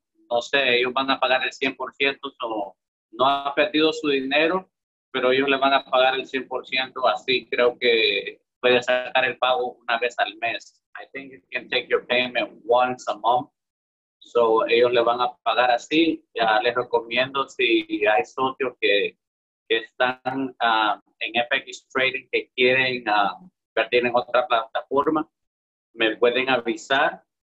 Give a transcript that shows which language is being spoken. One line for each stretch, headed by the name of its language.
Spanish: No sé, ellos van a pagar el 100% o no han perdido su dinero, pero ellos le van a pagar el 100%. Así creo que puede sacar el pago una vez al mes.
English: I think you can take your payment once a month.
Spanish: So ellos le van a pagar así. Ya les recomiendo si hay socios que están en FX Trading, que quieren invertir en otra plataforma, me pueden avisar.